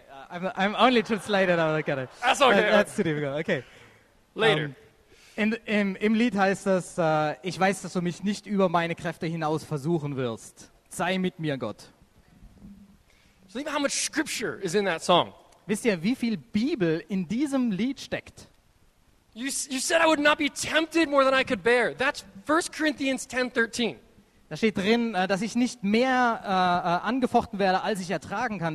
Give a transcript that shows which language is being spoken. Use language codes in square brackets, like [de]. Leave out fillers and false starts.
[en] I'm only translated out of it. That's okay. That's too difficult. Okay. Later. [de] Im Lied heißt es, ich weiß, dass du mich nicht über meine Kräfte hinaus versuchen wirst. Sei mit mir, Gott. [en] So think about how much scripture is in that song. [de] Wisst ihr, wie viel Bibel in diesem Lied steckt? [en] You said I would not be tempted more than I could bear. That's 1 Corinthians 10:13. [de] Da steht drin, dass ich nicht mehr angefochten werde, als ich ertragen kann.